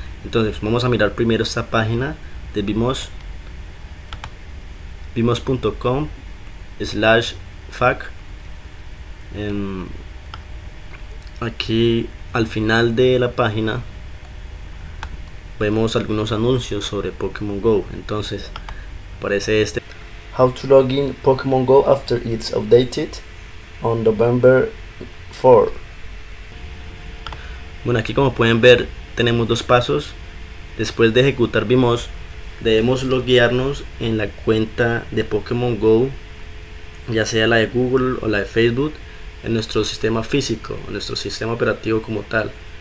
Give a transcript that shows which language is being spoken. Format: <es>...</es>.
<es>Entonces vamos a mirar primero esta página de BIMOS, bimos.com/fac. Aquí al final de la página vemos algunos anuncios sobre Pokémon Go. Entonces aparece este:</es> <en>How to log in Pokémon Go after it's updated on November 4.</en> <es>Bueno, aquí como pueden ver tenemos dos pasos. Después de ejecutar BIMOS, debemos loguearnos en la cuenta de Pokémon Go, ya sea la de Google o la de Facebook, en nuestro sistema físico, en nuestro sistema operativo como tal.</es>